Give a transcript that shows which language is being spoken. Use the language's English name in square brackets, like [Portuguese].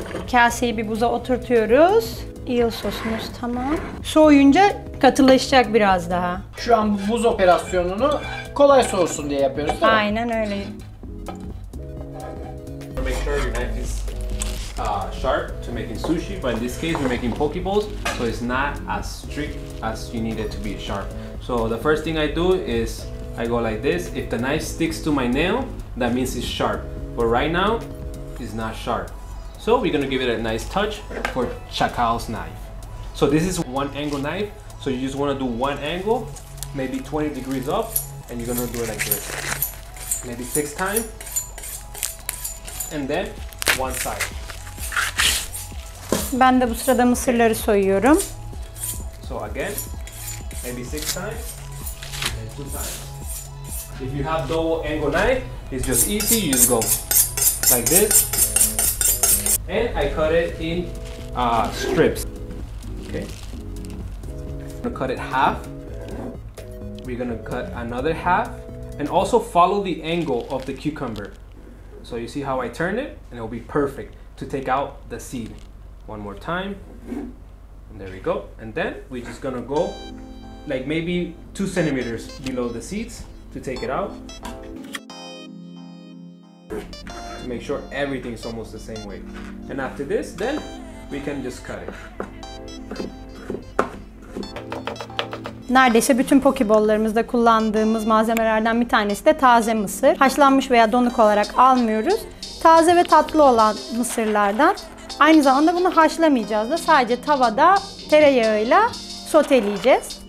[Turkish] Kaseyi bir buza oturtuyoruz. Eel sosumuz tamam. Soğuyunca katılaşacak biraz daha. Şu an buz operasyonunu kolay soğusun diye yapıyoruz, değil mi? Aynen öyle. [English] Make sure your knife is sharp to making sushi, but in this case we're making poke bowls, so it's not as strict as you need it to be sharp. So the first thing I do is I go like this. If the knife sticks to my nail, that means it's sharp. But right now, it's not sharp. So we're gonna give it a nice touch for Chacal's knife. So this is one angle knife. So you just wanna do one angle, maybe 20 degrees up, and you're gonna do it like this. Maybe 6 times. And then one side. [Turkish] Ben de bu sırada mısırları soyuyorum. [English] So again, maybe 6 times, and 2 times. If you have double angle knife, it's just easy, you just go like this. And I cut it in strips. Okay. I'm gonna cut it half. We're gonna cut another half. And also follow the angle of the cucumber. So you see how I turn it? And it will be perfect to take out the seed. One more time, and there we go. And then we're just gonna go like maybe 2 centimeters below the seeds to take it out. To make sure everything's almost the same way. And after this, then we can just cut it. [Turkish] Neredeyse bütün pokeballlarımızda kullandığımız malzemelerden bir tanesi de taze mısır. Haşlanmış veya donuk olarak almıyoruz. Taze ve tatlı olan mısırlardan. Aynı zamanda bunu haşlamayacağız da sadece tavada tereyağıyla soteleyeceğiz.